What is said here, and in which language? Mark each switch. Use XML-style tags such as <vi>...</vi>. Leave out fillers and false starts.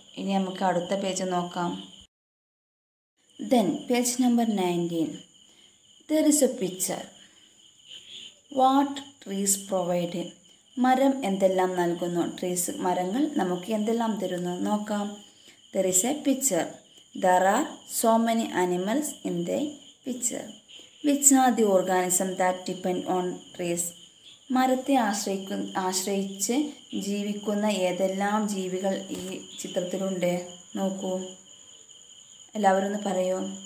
<ml>ഇനി നമുക്ക് അടുത്ത പേജ് നോക്കാം.</ml> <en>Then page number 19. There is a picture. What trees provide.</en> <ml>മരം എന്തെല്ലാം നൽകുന്നു, ട്രീസ് മരങ്ങൾ നമുക്ക് എന്തെല്ലാം തരുന്നു നോക്കാം.</ml> <en>There is a picture. There are so many animals in the picture. Which are the organism that depend on trees?</en> <ml>മരത്തെ ആശ്രയിച്ച് ജീവിക്കുന്ന ഏതെല്ലാം ജീവികൾ ഈ ചിത്രത്തിലുണ്ട് നോക്കൂ. എല്ലാവരും ഒന്ന് പറയൂ.</ml>